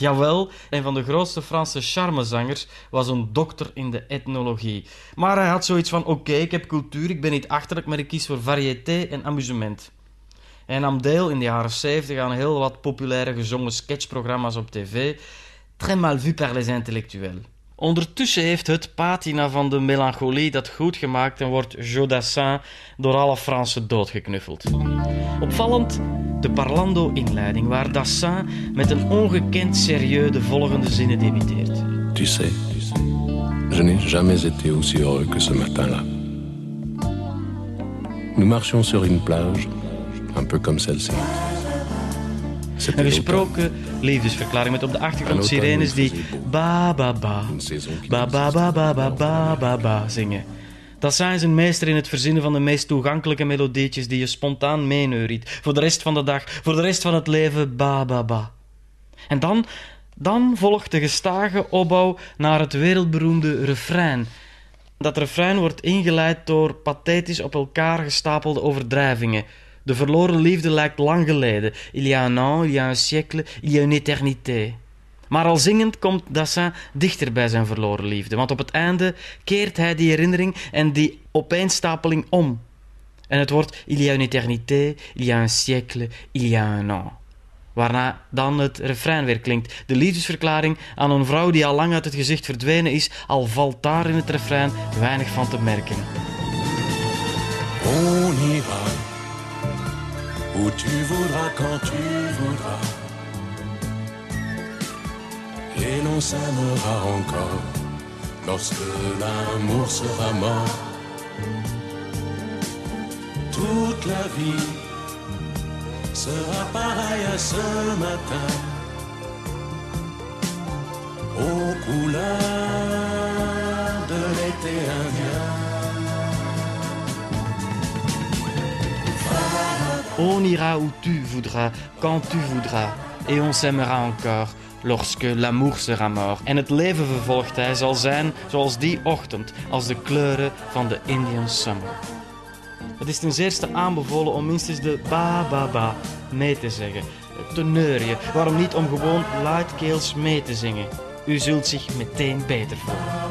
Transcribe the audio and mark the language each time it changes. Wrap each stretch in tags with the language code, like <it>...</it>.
<nl>Jawel, een van de grootste Franse charmezangers was een dokter in de etnologie. Maar hij had zoiets van, oké, ik heb cultuur, ik ben niet achterlijk, maar ik kies voor variété en amusement. Hij nam deel in de jaren 70 aan heel wat populaire gezongen sketchprogramma's op tv.</nl> <fr>Très mal vu par les intellectuels.</fr> <nl>Ondertussen heeft het patina van de melancholie dat goed gemaakt en wordt Joe Dassin door alle Fransen doodgeknuffeld. Opvallend, de Parlando-inleiding, waar Dassin met een ongekend serieus de volgende zinnen debiteert.</nl> <fr>Tu sais, je n'ai jamais été aussi heureux que ce matin-là. Nous marchions sur une plage, un peu comme celle-ci.</fr> <nl>Een gesproken liefdesverklaring met op de achtergrond sirenes die ba ba ba, ba ba ba ba ba ba ba ba zingen. Dassin is een meester in het verzinnen van de meest toegankelijke melodietjes die je spontaan meeneuriet. Voor de rest van de dag, voor de rest van het leven, ba ba ba. En dan volgt de gestage opbouw naar het wereldberoemde refrein. Dat refrein wordt ingeleid door pathetisch op elkaar gestapelde overdrijvingen. De verloren liefde lijkt lang geleden.</nl> <fr>Il y a un an, il y a un siècle, il y a une éternité.</fr> <nl>Maar al zingend komt Dassin dichter bij zijn verloren liefde. Want op het einde keert hij die herinnering en die opeenstapeling om. En het wordt</nl> <fr>il y a une éternité, il y a un siècle, il y a un an.</fr> <nl>Waarna dan het refrein weer klinkt. De liefdesverklaring aan een vrouw die al lang uit het gezicht verdwenen is, al valt daar in het refrein weinig van te merken.</nl> <fr>On ira. Où tu voudras, quand tu voudras. Et l'on s'aimera encore lorsque l'amour sera mort. Toute la vie sera pareille à ce matin, aux couleurs de l'été indien. On ira où tu voudras, quand tu voudras. Et on s'aimera encore, lorsque l'amour sera mort.</fr> <nl>En het leven, vervolgt hij, zal zijn zoals die ochtend, als de kleuren van de Indian Summer. Het is ten zeerste aanbevolen om minstens de ba-ba-ba mee te zeggen. Te neurien, waarom niet om gewoon luidkeels mee te zingen. U zult zich meteen beter voelen.</nl>